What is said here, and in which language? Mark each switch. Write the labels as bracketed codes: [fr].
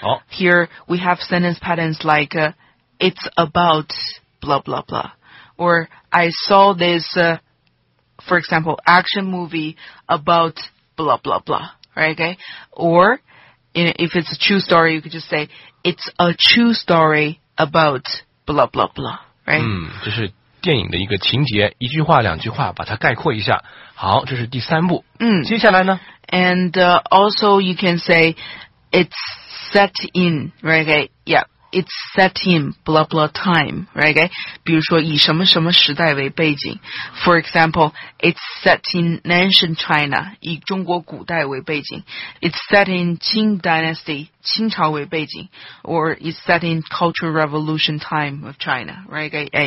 [en] Here we have sentence patterns like it's about blah blah blah, or I saw this, for example, action movie about blah blah blah, right? Okay? Or you know, if it's a true story, you could just say it's a true story about blah blah blah, right? [zh] 就是电影的一个情节，一句话两句话把它概括一下。好，这是第三步。接下来呢 [en] and also you can say it's set in, right? Yeah, it's set in blah blah time, right? [zh] 比如说以什么什么时代为背景， [en] for example, it's set in ancient China, [zh] 以中国古代为背景， [en] it's set in Qing dynasty, [zh] 清朝为背景， [en] or it's set in cultural revolution time of China, right?